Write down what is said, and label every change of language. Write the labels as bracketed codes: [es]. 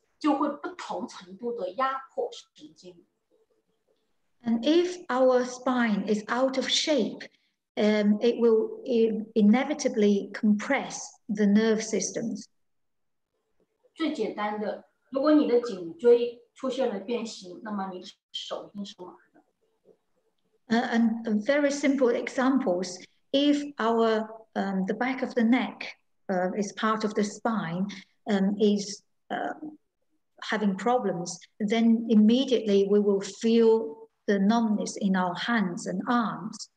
[zh] 那么如果我们的脊柱变形就会不同程度的压迫神经。 [en] And if our spine is out of shape, it will inevitably compress the nerve systems. [zh] 最简单的, 如果你的颈椎出现了变形, 那么你的手一定是麻的。 [en] And very simple examples, if our the back of the neck is part of the spine, is having problems, then immediately we will feel the numbness in our hands and arms.